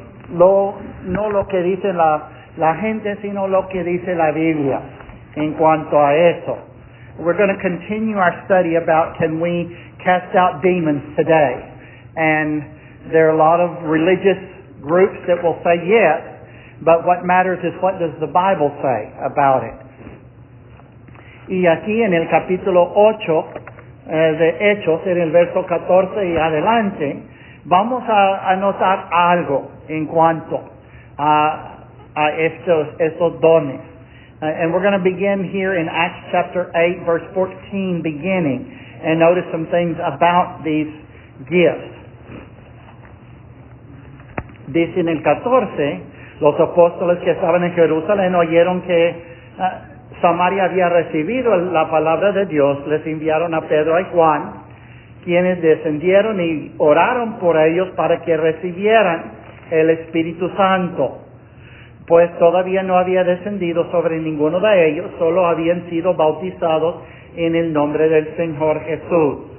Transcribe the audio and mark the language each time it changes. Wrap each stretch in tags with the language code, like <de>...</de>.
<es>no lo que dice la gente, sino lo que dice la Biblia en cuanto a eso.</es> <en>We're going to continue our study about can we cast out demons today. And there are a lot of religious groups that will say yes, but what matters is what does the Bible say about it.</en> <es>Y aquí en el capítulo 8 de Hechos, en el verso 14 y adelante, vamos a notar algo en cuanto a estos dones.</es> <en>And we're going to begin here in Acts chapter 8, verse 14, beginning, and notice some things about these gifts.</en> <es>Dice en el 14, los apóstoles que estaban en Jerusalén oyeron que Samaria había recibido la palabra de Dios, les enviaron a Pedro y Juan, quienes descendieron y oraron por ellos para que recibieran el Espíritu Santo, pues todavía no había descendido sobre ninguno de ellos, solo habían sido bautizados en el nombre del Señor Jesús.</es>